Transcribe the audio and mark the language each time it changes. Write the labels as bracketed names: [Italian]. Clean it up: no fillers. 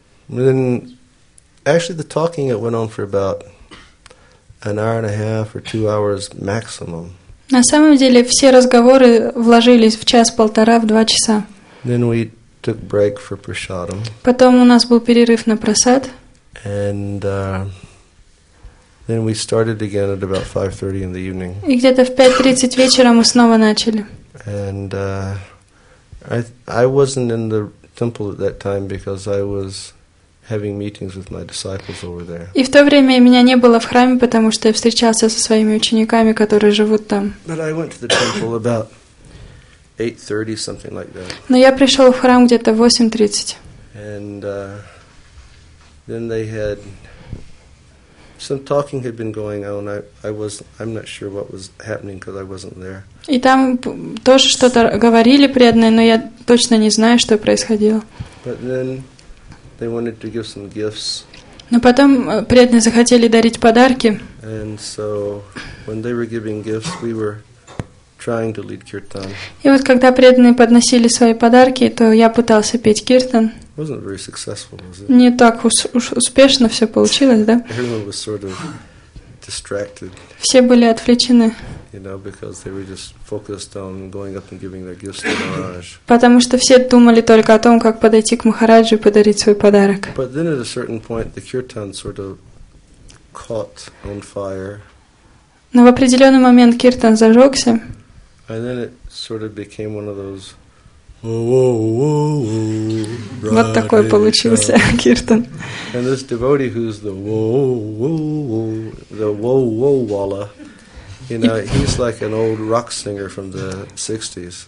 [English] Actually, the talking, it went on for about an hour and a half or 2 hours maximum. [Russian] На самом деле, все разговоры вложились в час-полтора, в два часа. [English] Then we took break for prasadam. [Russian] Потом у нас был перерыв на прасад. [English] And then we started again at about 5:30 in the evening. [Russian] И где-то в 5:30 вечера мы снова начали. [English] And I wasn't in the temple at that time because I was having meetings with my disciples over there. [Russian] И в то время меня не было в храме, потому что я встречался со своими учениками, которые живут там. [English] But I went to the temple about 8:30, something like that. [Russian] Но я пришел в храм где-то 8:30. [English] And then they had some talking had been going on. I'm not sure what was happening because I wasn't there. [Russian] И там тоже что-то говорили преданные, но я точно не знаю, что происходило. [English] But then they wanted to give some gifts. [Russian] Но потом преданные захотели дарить подарки. [English] And so when they were giving gifts, we were trying to lead kirtan. [Russian] И вот когда преданные подносили свои подарки, то я пытался петь киртан. [English] Wasn't very successful, was it? [Russian] Не так уж успешно все получилось, да? [English] Everyone was sort of distracted. [Russian] Все были отвлечены. [English] You know, because they were just focused on going up and giving their gifts to Maharaj. [Russian] Потому что все думали только о том, как подойти к Махараджу и подарить свой подарок. [English] But then at a certain point, the kirtan sort of caught on fire. [Russian] Но в определенный момент киртан зажегся. [English] And then it sort of became one of those. Whoa, [Russian] вот такой получился киртан. [English] And this devotee who's the whoa, whoa, whoa, the whoa, whoa, walla, you know, he's like an old rock singer from the 60s.